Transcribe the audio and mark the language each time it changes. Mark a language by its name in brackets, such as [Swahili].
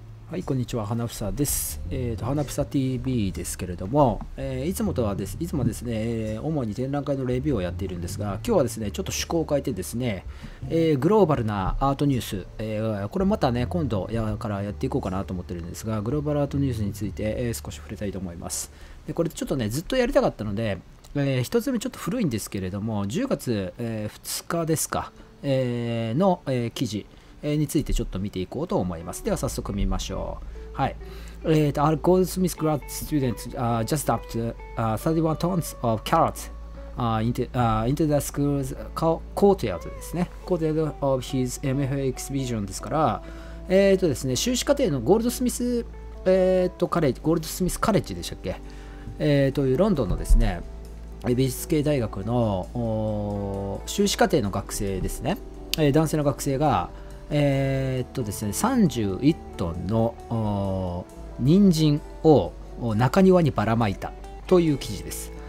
[Japanese] はい、こんにちは、花房です。花房 TV ですけれども、いつもとはです、いつもですね、主に展覧会のレビューをやっているんですが、今日はですね、ちょっと趣向を変えてですね、グローバルなアートニュース、これまたね、今度からやっていこうかなと思ってるんですが、グローバルアートニュースについて、少し触れたいと思います。でこれちょっとね、ずっとやりたかったので、一つ目ちょっと古いんですけれども、10月、2日ですか、の、記事についてちょっと見ていこうと思います。では早速見ましょう。はい。 [English] Our Goldsmith grad students just dumped 31 tons of carrots into the school's courtyard ですね。 Courtyard of his MFA exhibition [Japanese] ですから、ですね、修士課程のゴールドスミス、カレッジ、ゴールドスミスカレッジでしたっけ、というロンドンのですね、美術系大学の修士課程の学生ですね、男性の学生が、ですね、31トンの人参を中庭にばらまいたという記事です。